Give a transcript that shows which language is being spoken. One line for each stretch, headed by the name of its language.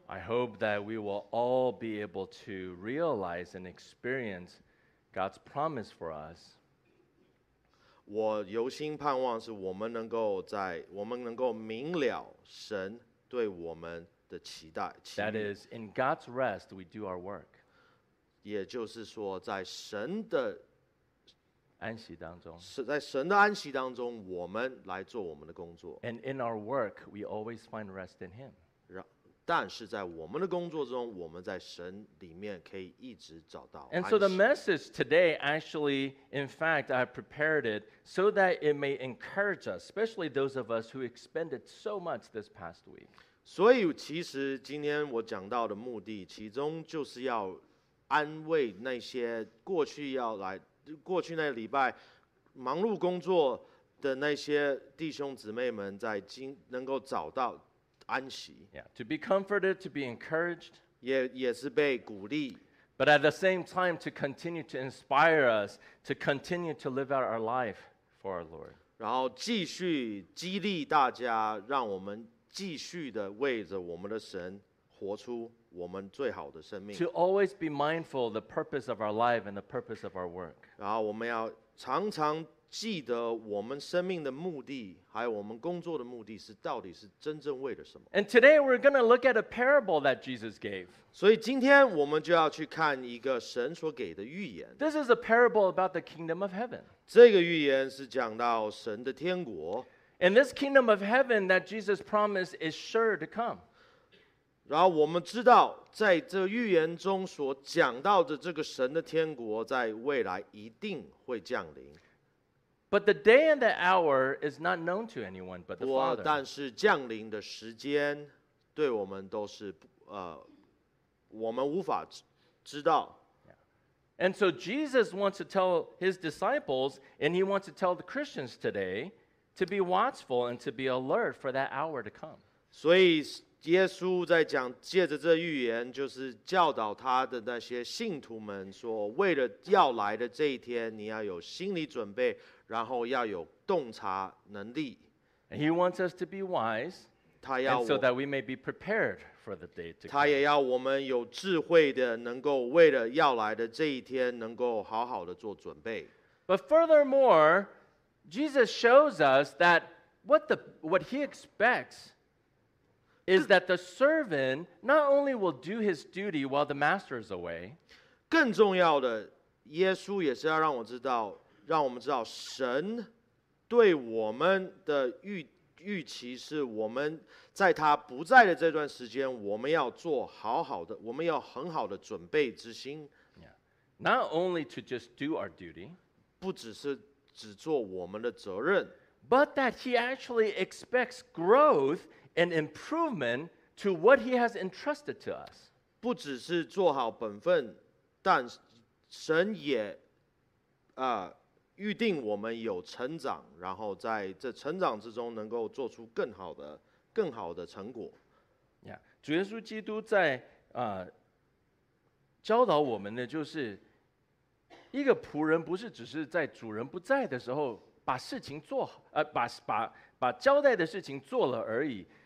English: I hope that we will all be able to realize and experience God's promise for us.
Chinese: 我由心盼望是我们能够明了神对我们的期待
English: That is, in God's rest, we do our work.
Chinese: 也就是说在神的安息当中，是在神的安息当中，我们来做我们的工作。
English: And in our work, we always find rest in Him.
Chinese: 但是在我们的工作中，我们在神里面可以一直找到安息。
English: And so the message today, actually, in fact, I prepared it so that it may encourage us, especially those of us who expended so much this past week.
Chinese: 所以其实今天我讲到的目的，其中就是要安慰那些过去要来。过去那礼拜忙碌工作的那些弟兄姊妹们在今能够找到安息。
English: Yeah, to be comforted, to be encouraged.
Chinese: 也是被鼓励。
English: But at the same time, to continue to inspire us, to continue to live out our life for our Lord.
Chinese: 然后继续激励大家，让我们继续的为着我们的神活出。我们最好的生命。
English: To always be mindful of the purpose of our life and the purpose of our work.
Chinese: 然后我们要常常记得我们生命的目的，还有我们工作的目的是到底是真正为了什么。
English: And today we're going to look at a parable that Jesus gave.
Chinese: 所以今天我们就要去看一个神所给的预言。
English: This is a parable about the kingdom of heaven.
Chinese: 这个预言是讲到神的天国。
English: And this kingdom of heaven that Jesus promised is sure to come.
Chinese: 然后我们知道，在这预言中所讲到的这个神的天国，在未来一定会降临。
English: But the day and the hour is not known to anyone but the Father.
Chinese: 但是降临的时间，对我们都是我们无法知道。
English: And so Jesus wants to tell his disciples, and he wants to tell the Christians today, to be watchful and to be alert for that hour to come.
Chinese: 所以。耶稣在讲，借着这预言，就是教导他的那些信徒们说，为了要来的这一天，你要有心理准备，然后要有洞察能力。
English: He wants us to be wise, and so that we may be prepared for the day to come.
Chinese: 他也要我们有智慧的，能够为了要来的这一天，能够好好的做准备。
English: But furthermore, Jesus shows us that what he expects. Is that the servant not only will do his duty while the master is away?
Chinese: 更重要的，耶稣也是要让我知道，让我们知道，神对我们的预期是我们在他不在的这段时间，我们要做好好的，我们要很好的准备之心。
English: Yeah. Not only to just do our duty,
Chinese: 不只是只做我们的责任
English: but that he actually expects growth. An improvement to what he has entrusted to us.
Chinese: 不只是做好本分，但神也预定我们有成长，然后在这成长之中能够做出更好的成果。
English: Yeah.
Chinese: 主耶稣基督在教导我们的就是一个仆人不是只是在主人不在的时候把事情做好，把交代的事情做了而已。